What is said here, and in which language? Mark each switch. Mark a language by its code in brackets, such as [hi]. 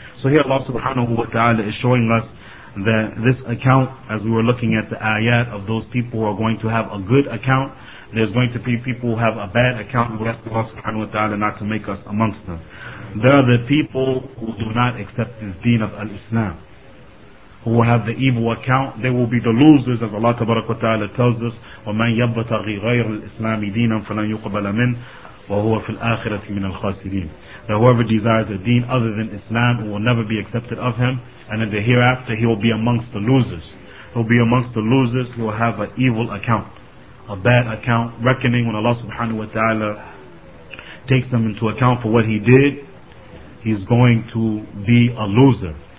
[en] So here Allah subhanahu wa ta'ala is showing us that this account, as we were looking at the ayat of those people who are going to have a good account, there's going to be people who have a bad account. We ask Allah subhanahu wa ta'ala not to make us amongst them. There are the people who do not accept this deen of al-Islam, who will have the evil account. They will be the losers, as Allah tabarak wa ta'ala tells us, [ar] وَمَنْ يَبْتَغِي غَيْرُ الْإِسْلَامِ دِينًا فَلَنْ يُقْبَلَ مِنْ وَهُوَ فِي الْآخِرَةِ مِنَ الْخَاسِرِينَ. [en] That whoever desires a deen other than Islam will never be accepted of him, and in the hereafter he will be amongst the losers. He will be amongst the losers who will have an evil account, a bad account, reckoning when Allah subhanahu wa ta'ala takes them into account for what he did, he's going to be a loser.